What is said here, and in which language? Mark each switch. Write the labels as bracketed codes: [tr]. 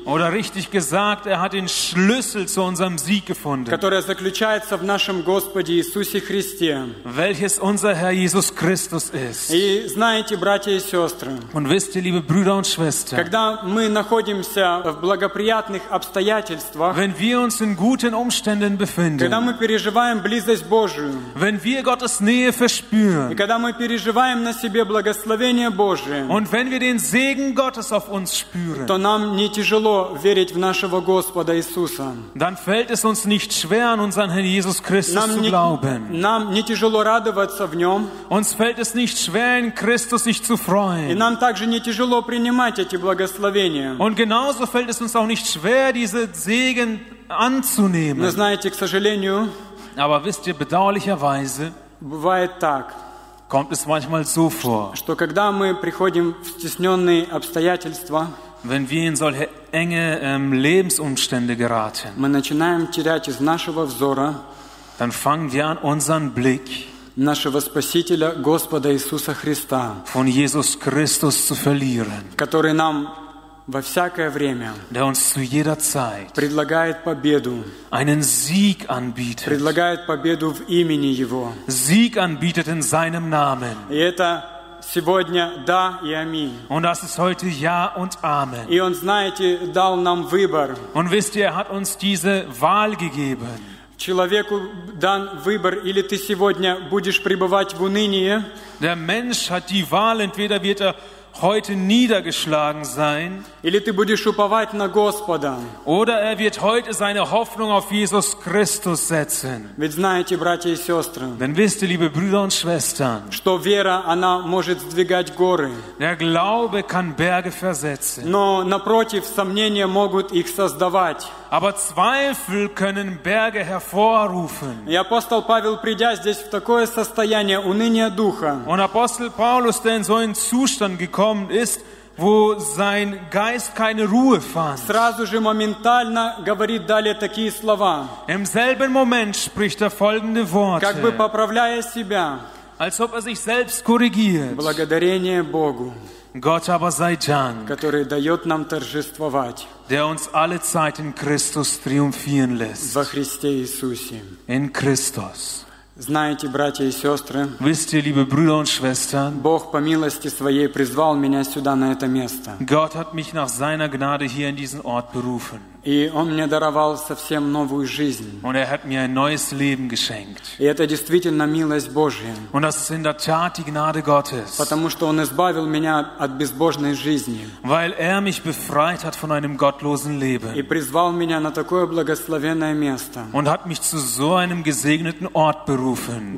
[de] Oder richtig gesagt, er hat den Schlüssel zu unserem Sieg gefunden. [ru] Который заключается в нашем Господе Иисусе Христе. [de] Welches unser Herr Jesus Christus ist. [ru] И знаете, братья и сестры, [de] und wisst ihr, liebe Brüder und Schwestern, [ru] когда мы находимся в благоприятных обстоятельствах, [de] wenn wir uns in guten Umständen befinden, [ru] когда мы переживаем близость Божию, [de] wenn wir Gottes Nähe verspüren, [ru] и когда мы переживаем на себе благословение Божие, [de] und wenn wir den Segen Gottes auf uns spüren, [ru] то нам не тяжело верить в нашего Господа Иисуса. [de] Dann fällt es uns nicht schwer, an unseren Herrn Jesus Christus [ru] нам [de] zu [ru] не, [de] glauben. [ru] Нам не тяжело радоваться в нем. [de] Uns fällt es nicht schwer, in Christus sich zu freuen. [ru] И нам также не тяжело принимать эти благословения. [de] Und genauso fällt es uns auch nicht schwer, diese Segen anzunehmen. [ru] Но знаете, к сожалению, [de] aber wisst ihr, bedauerlicherweise, [ru] бывает так, [de] kommt es manchmal so vor, [ru] что когда мы приходим в стесненные обстоятельства, [de] wenn wir in solche enge Lebensumstände geraten, [ru] мы начинаем терять из нашего взора, [de] dann fangen wir an, unseren Blick [ru] нашего Спасителя Господа Иисуса Христа, [de] von Jesus Christus zu verlieren, [ru] который нам во всякое время, [de] der uns zu jeder Zeit, [ru] предлагает победу, [de] einen Sieg anbietet, [ru] предлагает победу в имени Его, [de] Sieg anbietet in seinem Namen. [ru] И это сегодня да и аминь. [de] Und das ist heute ja und amen. [ru] И он, знаете, дал нам выбор. [de] Und wisst ihr, er hat uns diese Wahl gegeben. [ru] В Человеку дан выбор, или ты сегодня будешь пребывать в унынии. [de] Der Mensch hat die Wahl, entweder wird heute niedergeschlagen sein, [ru] или ты будешь уповать на Господа, [de] oder wird heute seine Hoffnung auf Jesus Christus setzen. [ru] Ведь знаете, братья и сестры, [de] denn wisst ihr, liebe Brüder und Schwestern, [ru] что вера, она может сдвигать горы, [de] der Glaube kann Berge versetzen, [ru] но напротив, сомнения могут их создавать. [de] Aber Zweifel können Berge hervorrufen. [ru] И апостол Павел, придя здесь в такое состояние уныния духа, [de] und Apostel Paulus, der in so einen Zustand gekommen ist, wo sein Geist keine Ruhe fand, [ru] сразу же моментально говорит далее такие слова. [de] Im selben Moment spricht folgende Worte. [ru] Как бы поправляя себя, [de] als ob sich selbst korrigiert. [ru] Благодарение Богу. [de] Gott aber sei Dank, [ru] который дает нам торжествовать, [de] der uns alle Zeit in Christus triumphieren lässt, [ru] во Христе Иисусе, [de] in Christus. [ru] Знаете, братья и сестры, [de] wisst ihr, liebe Brüder und Schwestern, [ru] Бог по милости своей призвал меня сюда, на это место. [de] Gott hat mich nach seiner Gnade hier in diesen Ort berufen. [ru] И он мне даровал совсем новую жизнь. [de] Und hat mir ein neues Leben geschenkt. [ru] И это действительно милость Божья. [de] Und das ist in der Tat die Gnade Gottes. [ru] Потому что он избавил меня от безбожной жизни. [de] Weil mich befreit hat von einem gottlosen Leben. [ru] И призвал меня на такое благословенное место. [de] Und hat mich zu so einem gesegneten Ort berufen.